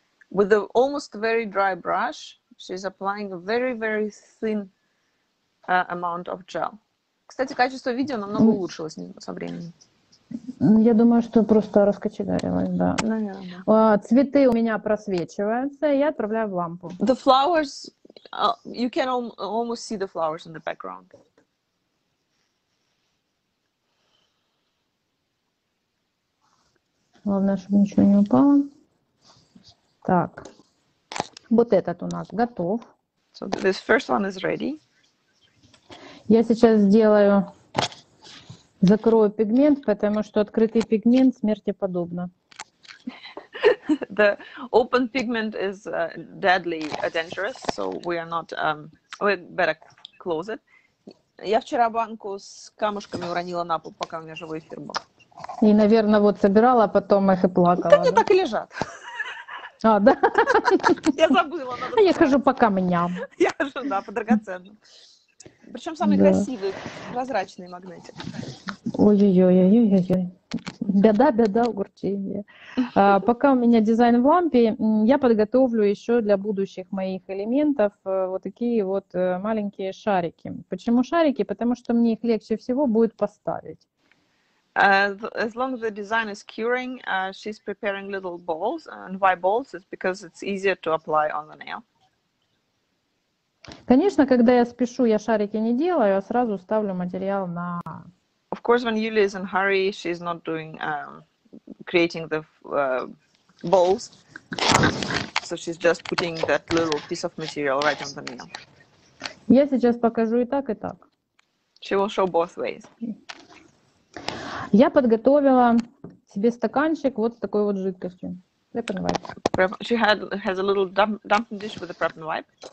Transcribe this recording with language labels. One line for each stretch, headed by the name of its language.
English: With an almost very dry brush, she's applying a very, very thin amount of gel.
Russian: Кстати, качество видео намного улучшилось со временем. Я думаю, что просто раскочегарилось, да. Наверное. Цветы у меня просвечиваются, я отправляю в лампу.
English: The flowers, you can almost see the flowers in the background.
Russian: Главное, чтобы ничего не упало. Так, вот этот у нас готов.
English: So this first one is ready.
Russian: Я сейчас сделаю, закрою пигмент, потому что открытый пигмент смерти подобно.
English: The open pigment is deadly dangerous, so we are not, we better close it.
Russian: Я вчера банку с камушками уронила на пол, пока у меня живой эфир был. И, наверное, вот собирала, а потом их и плакала. Да, они так и лежат. А, да? Я забыла. А я хожу по камням. Я хожу, да, по драгоценным. Причем самый красивый, прозрачный магнитик. Ой-ой-ой-ой-ой-ой. Беда, беда, огорчение. Пока у меня дизайн в лампе, я подготовлю еще для будущих моих элементов вот такие вот маленькие шарики. Почему шарики? Потому что мне их легче всего будет поставить.
English: As long as the design is curing, she's preparing little balls. And why balls? It's because it's easier to apply on the nail.
Russian: Конечно, когда я спешу, я шарики не делаю, а сразу ставлю материал на...
English: Of course, when Yulia is in hurry, she's not doing creating the balls. So she's just putting that little piece of material right on the nail.
Russian: Я сейчас покажу и так, и так.
English: She will show both ways.
Russian: Я подготовила себе стаканчик вот с такой вот жидкостью.
English: Prep and wipe. She has a little dumping dish with a prep and wipe.